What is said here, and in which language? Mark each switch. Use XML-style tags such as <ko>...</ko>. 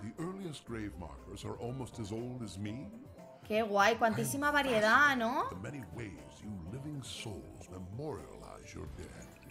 <en>The earliest grave markers are almost as old as me.</en> <es>Qué guay, cuantísima variedad, ¿no?</es> <en>The many ways you living souls memorialize your dead.</en>